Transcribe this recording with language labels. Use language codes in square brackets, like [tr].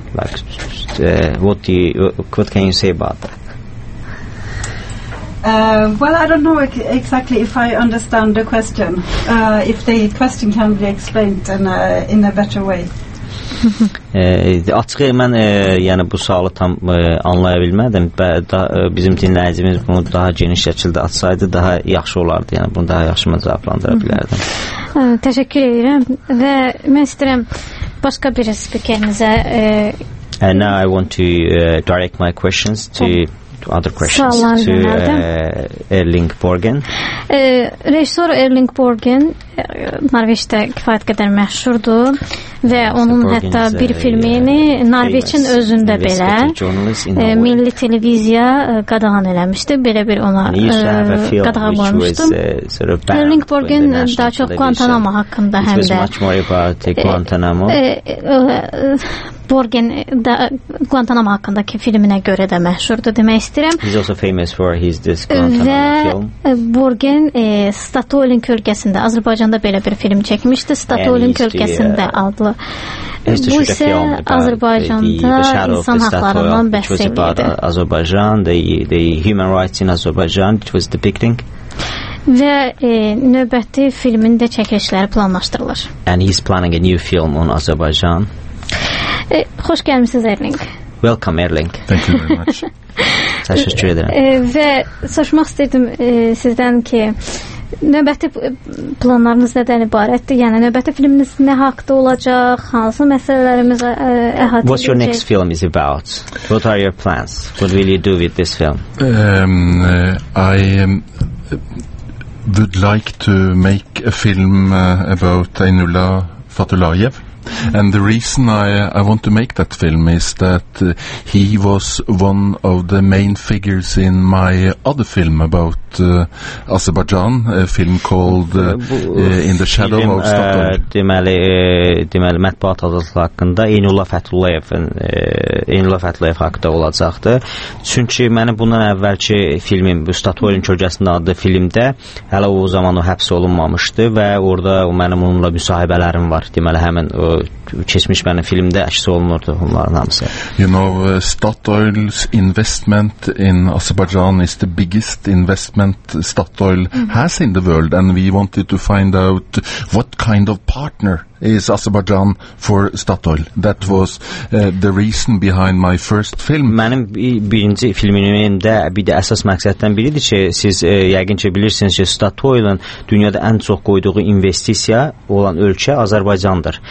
[en] Like, what can you say about that? Well, I don't know exactly if I understand the question. If the question can be explained in a better way. [az] Açıq mən yəni bu sualı tam anlaya bilmədim. Bizim dinləyicimiz bunu daha geniş şəkildə açsaydı daha yaxşı olardı. Yəni bunu daha yaxşı mən cavablandıra bilərdim. Təşəkkür edirəm. Və mən istəyirəm başqa bir spikerinizə. [en] And now I want to direct my questions to other questions to Erling Borgen. [az] Rejissor Erling Borgen Norveçdə kifayət qədər məşhurdur və onun hətta bir filmini Norveçin özündə belə milli televiziya qadağan eləmişdi. Belə bir ona qadağan qoymuşdum. Erling Borgen daha çox Guantanamo haqqında həm də Borgen da Guantanamo haqqındakı filminə görə də məşhurdur demək istəyirəm. [en] He's also famous for his this Guantanamo film. [az] Borgen Statoil kölgəsində Azərbaycanda belə bir film çəkmişdi. Statoil kölgəsində adlı Bu isə Azərbaycanda insan haqlarından bəhs edildi. [en] Azərbaycan, the human rights in Azərbaycan, it was depicting. [az] Və növbəti filmin də çəkilişləri planlaşdırılır. [en] And he's planning a new film on Azərbaycan. [az] Xoş gəlmisiniz, Erling. [en] Welcome, Erling. Thank you very much. [az] Təşəkkür edirəm. Və soruşmaq istəyirdim sizdən ki, növbəti planlarınız nədən ibarətdir? Yəni, növbəti filminiz nə haqda olacaq? Hansı məsələlərimiz əhatə edəcək? [en] What's your next film is about? What are your plans? What will you do with this film? Would like to make a film about Ainula Fatullayev. Mm-hmm. And the reason I want to make that film is that he was one of the main figures in my other film about Azerbaijan, a film called In the Shadow film, of Stockholm. [az] Deməli mətbuat azadlığı haqqında Ainula Fatullayev haqqında olacaqdı. Çünki mənim bundan əvvəlki filmim Statoil'in kölgəsində adlı filmdə hələ o zaman o həbs olunmamışdı və orada mənim onunla müsahibələrim var. Deməli həmin o keçmiş mənim filmdə əks olunurdu onların hamısı. [en] You know, Statoil's investment in Azerbaijan is the biggest investment Statoil has in the world, and we wanted to find out what kind of partner is Azerbaijan for Statoil. That was the reason behind my first film. [az] Mənim birinci filmimdə bir də əsas məqsəddən biridir ki, siz yəqin ki, bilirsiniz ki, Statoil'ın dünyada ən çox qoyduğu investisiya olan ölkə Azərbaycandır.